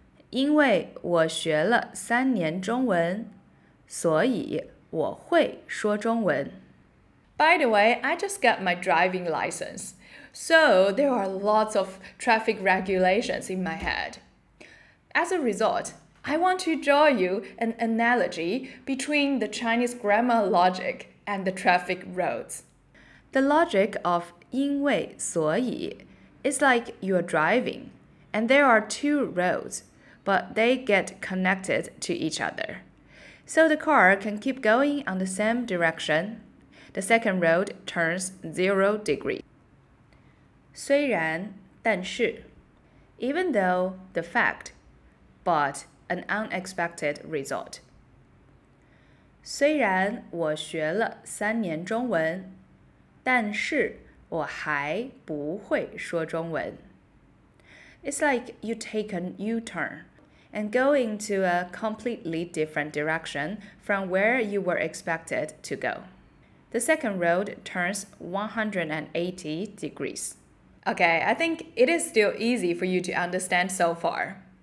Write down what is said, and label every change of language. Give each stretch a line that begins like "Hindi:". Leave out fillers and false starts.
Chinese: 因为我学了三年中文,所以我会说中文。
English: By the way, I just got my driving license, so there are lots of traffic regulations in my head. As a result, I want to draw you an analogy between the Chinese grammar logic and the traffic roads. The logic of
Chinese: 因为所以
English: is like you are driving, and there are two roads, but they get connected to each other. So the car can keep going on the same direction. The second road turns 0 degrees.
Chinese: 虽然,但是,
English: even though the fact, but an unexpected result.
Chinese: 虽然我学了三年中文,但是我还不会说中文。
English: It's like you take a U-turn and go into a completely different direction from where you were expected to go. The second road turns 180 degrees. Okay, I think it is still easy for you to understand so far.